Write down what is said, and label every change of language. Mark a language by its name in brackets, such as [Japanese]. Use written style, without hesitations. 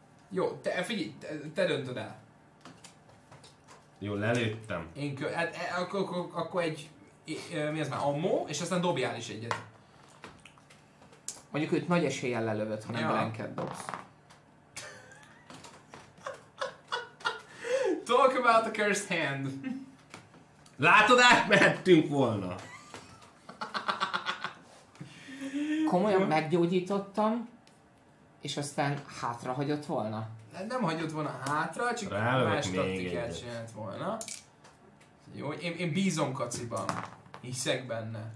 [Hungarian] Jó, te figyelj, te döntöd el. Jó, lelőttem. Én hát akkor egy, mi az már, ammó, és aztán dobjál is egyet. Mondjuk őt nagy eséllyel lelövöd, ha nem blanket dobsz. [English] Talk about the cursed hand. [Hungarian] Látod, átmehettünk volna. Komolyan meggyógyítottam, és aztán hátra hagyott volna. Nem hagyott volna hátra, csak más taktikát csinált volna. Jó, én bízom kaciban. Hiszek benne.